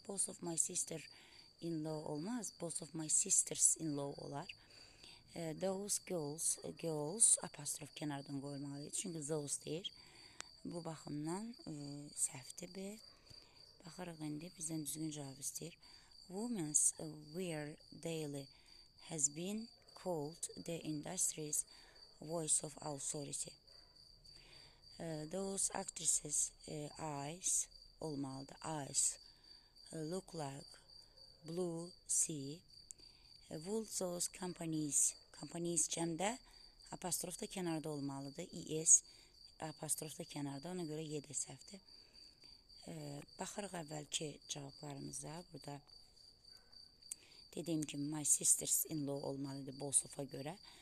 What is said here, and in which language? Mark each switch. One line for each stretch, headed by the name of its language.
English: Both of my sister-in-law
Azerbaijani: olmaz.
English: Both of my sisters-in-law
Azerbaijani: olar.
English: Those girls, girls
Azerbaijani: apostrof kənardan qoymalıyıq. Çünki those deyir. Bu baxımdan səhvdir bir. Baxırıq indi, bizdən düzgün cavab istəyir.
English: Women's wear daily has been called the industry's voice of authority. Those actresses' eyes,
Azerbaijani: olmalıdır,
English: eyes, look like blue sea. Would those companies, companies
Azerbaijani: cəmdə apostrof da kənarda olmalıdır, es apostrof da kənarda, ona görə yedə səhvdir. Baxırıq əvvəlki cavablarımıza. Burada dediyim kimi
English: my sisters-in-law
Azerbaijani: olmalıydı Bosofa görə.